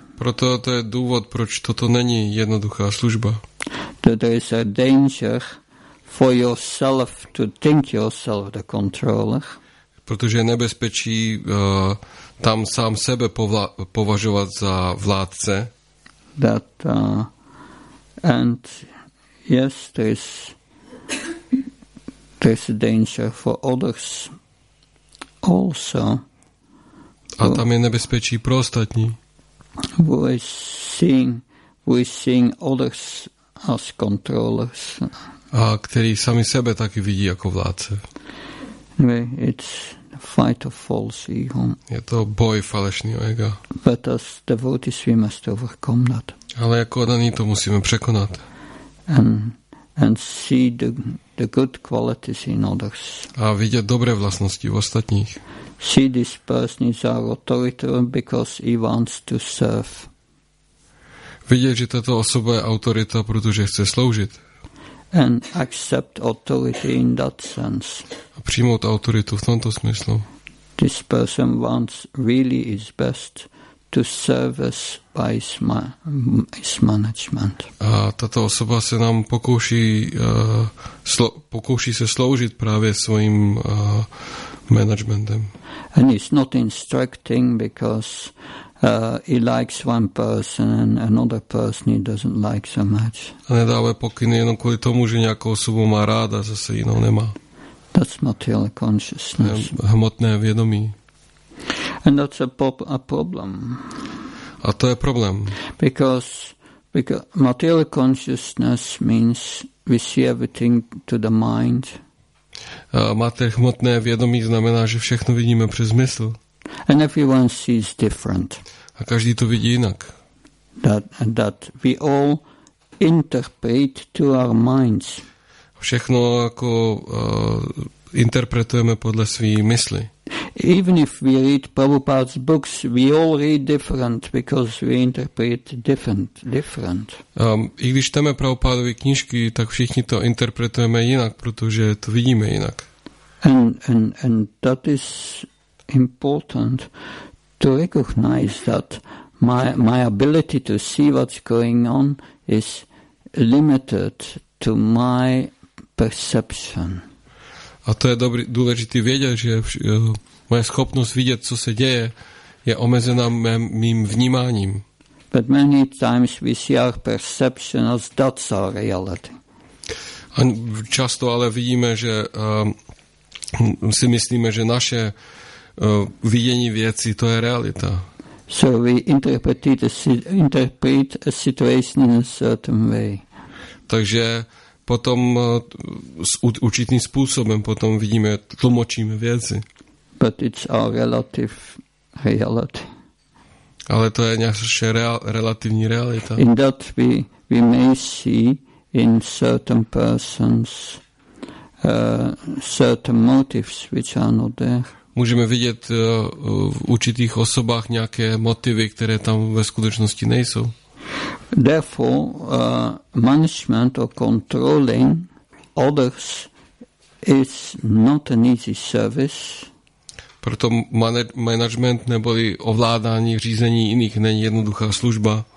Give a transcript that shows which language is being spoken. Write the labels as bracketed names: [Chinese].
[Czech] Proto to je důvod, proč toto není jednoduchá služba. [English] That there is a danger for yourself to think yourself the controller. [Czech] Protože je nebezpečí tam sám sebe považovat za vládce. [English] That and yes, there's a danger for others also. [Czech] A tam je nebezpečí pro ostatní. [English] Who is seeing others as controllers. [Czech] A který sami sebe taky vidí jako vládce. [English] It's a fight of false ego. [Czech] Je to boj falešného ega. [English] But as devotees we must overcome that. [Slovak] Ale ako daný to musíme prekonať. [English] And see the good qualities in others. [Slovak] A vidieť dobré vlastnosti v ostatných. [English] See this person is our authority because he wants to serve. [Slovak] Vidieť, že táto osoba je autorita, pretože chce slúžiť. [English] And accept authority in that sense. [Slovak] A prijmúť autoritu v tomto smyslu. [English] This person wants really his best to serve us by his management. [Slovak] A táto osoba sa nám pokúší pokúší sa slúžiť práve svojim managementom. [English] And it's not instructing because he likes one person and another person he doesn't like so much. [Slovak] A nedáva pokyny jenom kvôli tomu, že nejakú osobu má rád a zase inou nemá. [English] That's material consciousness. [Slovak] Hmotné vedomí. [English] And that's a problem. [Slovak] A to je problém. [English] Because material consciousness means we see everything to the mind. [Czech] Máte hmotné vedomí znamená, že všechno vidíme přes mysl. [English] And everyone sees different. [Slovak] A každý to vidí inak. [English] That we all interpret to our minds. [Slovak] Všechno ako interpretujeme podľa svojej mysli. [English] Even if we read Prabhupada's books, we all read different because we interpret different. [Czech] I když čteme Prabhupádovy knižky, tak všichni to interpretujeme inak, [Slovak] pretože to vidíme inak. [English] And that is important to recognize that my ability to see what's going on is limited to my perception. [Slovak] A to je dobrý, dôležitý vedieť, že moja schopnosť vidieť, co sa deje, je omezená mým vnímaním. [English] But many times we see our perception as that's our reality. [Slovak] A často ale vidíme, že si myslíme, že naše videnie veci, to je realita. [English] So we interpret a situation in a certain way. [Slovak] Takže potom s určitým spôsobom potom vidíme, tlmočíme veci. [English] But it's our relative reality. [Slovak] Ale to je naša relatívna realita. [English] In that we may see in certain persons certain motives which are not there. [Slovak] Môžeme vidieť v určitých osobách nejaké motivy, ktoré tam ve skutočnosti nejsou. [English] Therefore, management or controlling others is not an easy service. [Czech] Proto management neboli ovládání, řízení iných není jednoduchá služba.